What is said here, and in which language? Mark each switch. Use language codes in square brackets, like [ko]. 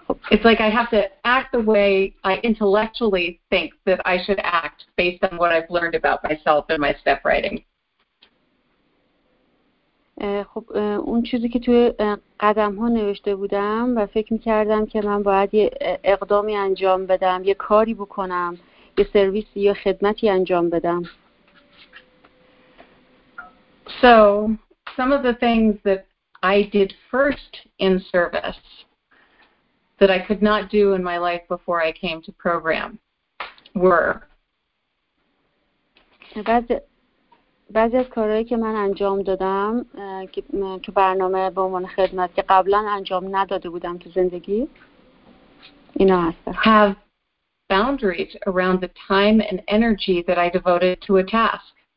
[en] It's like I have to act the way I intellectually think that I should act based on what I've learned about myself and my step writing. [fa] خب اون چیزی که توی قدم ها نوشته بودم و فکر میکردم که من باید یه اقدامی انجام بدم، یه کاری بکنم، یه سرویسی یا خدمتی انجام بدم. [en] So, some of the things that I did first in service that I could not do in my life before I came to program were... [fa] بعضی از کارهایی که من انجام دادم که برنامه به عنوان خدمت که قبلا انجام نداده بودم تو زندگی اینا هست. [en] Have boundaries around the time and energy that I devoted to a task.